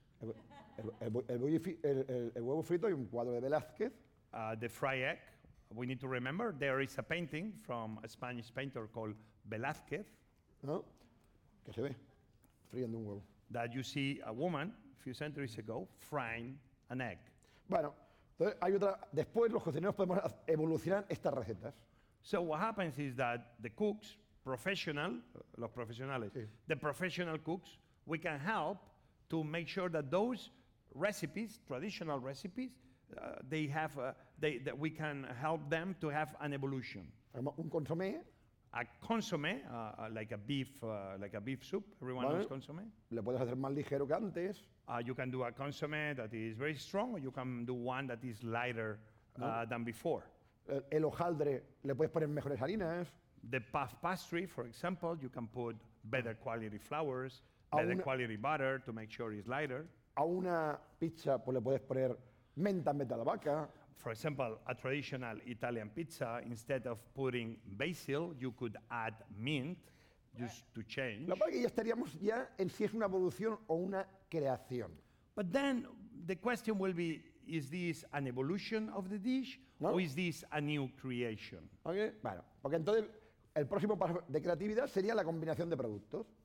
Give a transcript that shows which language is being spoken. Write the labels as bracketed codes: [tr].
[es] El huevo frito y un cuadro de Velázquez. [en] The fried egg, we need to remember, there is a painting from a Spanish painter called Velázquez. [es] ¿No? Que se ve, friendo un huevo. [en] That you see a woman a few centuries ago frying an egg. [es] Bueno, entonces hay otra. Después los cocineros podemos evolucionar estas recetas. [en] So what happens is that the cooks, professional, [es] los profesionales, sí. [en] The professional cooks, we can help to make sure that those recipes, traditional recipes, they have, that we can help them to have an evolution. [es] Un consomé. [en] A consomé, like a beef soup. Everyone knows consomé. [es] Le puedes hacer más ligero que antes. [en] You can do a consomé that is very strong, or you can do one that is lighter than before. [es] El hojaldre, le puedes poner mejores harinas. [en] The puff pastry, for example, you can put better quality flours, better quality butter to make sure it's lighter. [es] A una pizza, pues le puedes poner menta en vez de la vaca. [en] For example, a traditional Italian pizza, instead of putting basil, you could add mint, just to change. [es] Lo que ya estaríamos ya en si es una evolución o una creación. [en] But then the question will be, is this an evolution of the dish, no. Or is this a new creation? [es] Okay, bueno, porque entonces el próximo paso de creatividad sería la combinación de productos.